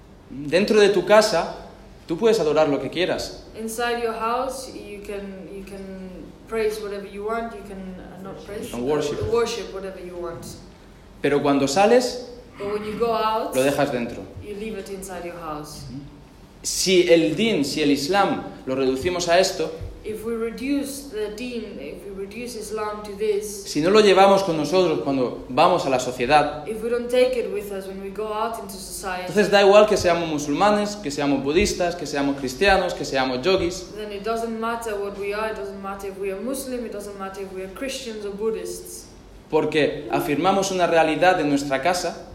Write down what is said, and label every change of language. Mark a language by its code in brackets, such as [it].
[es] Dentro de tu casa, tú puedes adorar lo que quieras. [en] Inside your house, you can praise whatever you want. You can not praise. And worship. Worship whatever you want. [es] Pero cuando sales, [en] but when you go out, [es] lo dejas dentro. [en] You leave it inside your house. [es] Si el din, si el Islam, lo reducimos a esto. [en] If we reduce the deen, if we reduce Islam to this, [es] si no lo llevamos con nosotros cuando vamos a la sociedad, [en] if we don't take it with us when we go out into society, [es] entonces da igual que seamos musulmanes, que seamos budistas, que seamos cristianos, que seamos yogis, [en] then it doesn't matter what we are, it doesn't matter if we are Muslim, it doesn't matter if we are Christians or Buddhists, [es] porque afirmamos una realidad en nuestra casa,